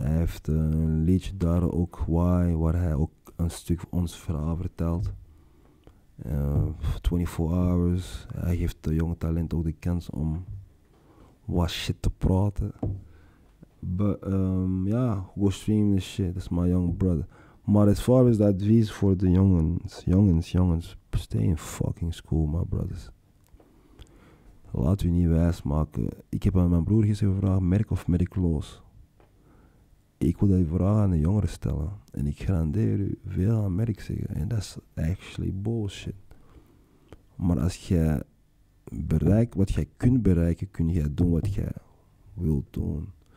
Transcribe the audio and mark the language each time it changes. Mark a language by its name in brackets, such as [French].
[Dutch] Hij heeft een liedje daar ook, Why, waar hij ook een stuk van ons verhaal vertelt. [English] 24 hours. [Dutch] Hij geeft de jonge talent ook de kans om wat shit te praten. [English] But, ja, go stream the shit. That's my young brother. Maar as far as the advice for the jongens, stay in fucking school, my brothers. [Dutch] Laat u niet wijsmaken. Ik heb aan mijn broer gisteren gevraagd, merk of merkloos? Ik wil die vraag aan de jongeren stellen. En ik garandeer u veel aan merk zeggen. En dat is actually bullshit. Maar als jij bereikt wat jij kunt bereiken, kun jij doen wat jij wilt doen.